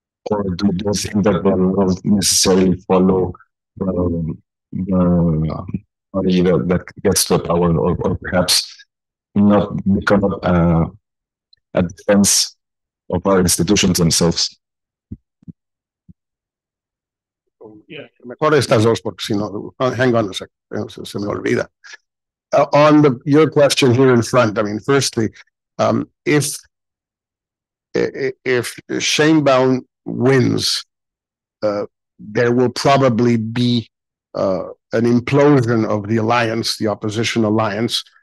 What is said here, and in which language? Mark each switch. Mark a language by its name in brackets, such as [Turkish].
[English] Or do you think that they will necessarily follow the party that gets to power, or perhaps not become a defense of our institutions themselves? [Spanish] Yeah, mejor estas dos porque si no, [English] hang on a second, [Spanish] se me olvida. [English] On the your question here in front, I mean, firstly, if Sheinbaum wins, there will probably be an implosion of the alliance, the opposition alliance.